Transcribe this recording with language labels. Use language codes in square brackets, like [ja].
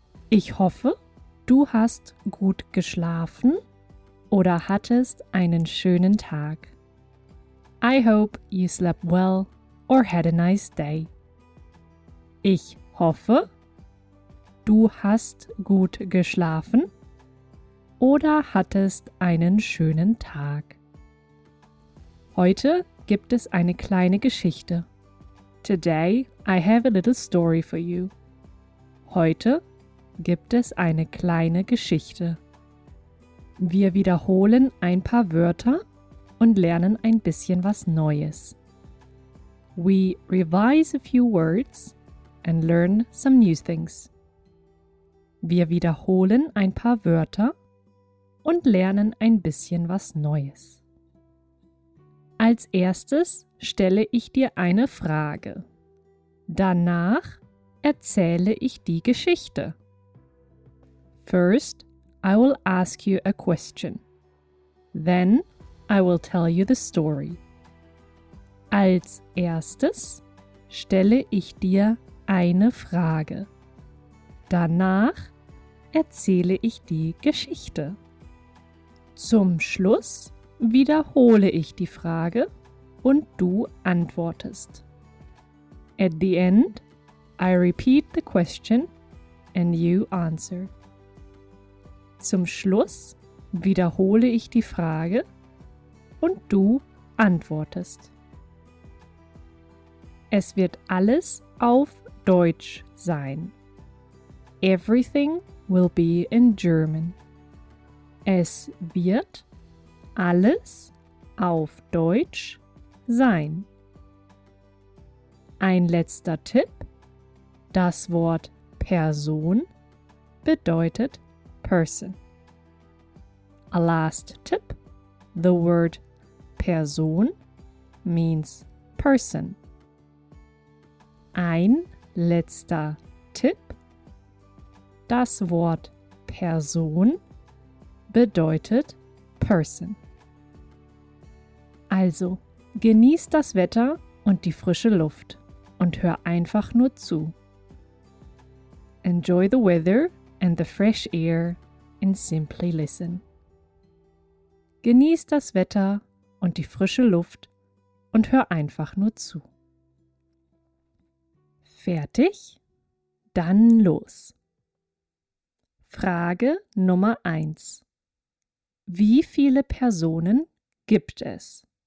[de] Ich hoffe, du hast gut geschlafen oder hattest einen schönen Tag. [en] I hope you slept well or had a nice day. [de] Ich hoffe, du hast gut geschlafen oder hattest einen schönen Tag. Heute gibt es eine kleine Geschichte. [en] Today I have a little story for you. [de] Heute gibt es eine kleine Geschichte. Wir wiederholen ein paar Wörter und lernen ein bisschen was Neues. [en] We revise a few words and learn some new things. [de] Wir wiederholen ein paar Wörter und lernen ein bisschen was Neues. Als erstes stelle ich dir eine Frage. Danach erzähle ich die Geschichte. [en] First, I will ask you a question. Then, I will tell you the story. [de] Als erstes stelle ich dir eine Frage. Danach erzähle ich die Geschichte. Zum Schluss wiederhole ich die Frage und du antwortest. [en] At the end, I repeat the question and you answer. [de] Zum Schluss wiederhole ich die Frage und du antwortest. Es wird alles auf Deutsch sein. [en] Everything will be in German. [de] Es wird alles auf Deutsch sein. Ein letzter Tipp. Das Wort Person bedeutet Person. [en] A last tip. The word Person means Person. [de] Ein letzter Tipp. Das Wort Person bedeutet Person. Also, genieß das Wetter und die frische Luft und hör einfach nur zu. [en] Enjoy the weather and the fresh air and simply listen. [de] Genieß das Wetter und die frische Luft und hör einfach nur zu. Fertig? Dann los. Frage Nummer 1. Wie viele Personen gibt es?